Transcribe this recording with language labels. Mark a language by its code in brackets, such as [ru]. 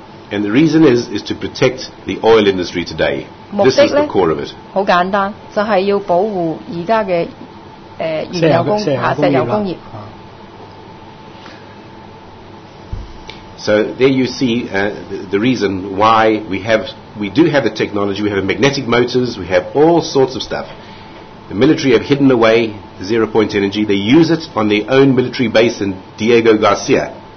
[en] And the reason is to protect the oil industry today. [zh] 目的呢, [en] this is the core of it. [zh] 很簡單, 就是要保護現在的, 石油工業。 [en] So there you see the reason why we do have the technology. We have magnetic motors, we have all sorts of stuff. The military have hidden away the zero point energy. They use it on their own military base in Diego Garcia.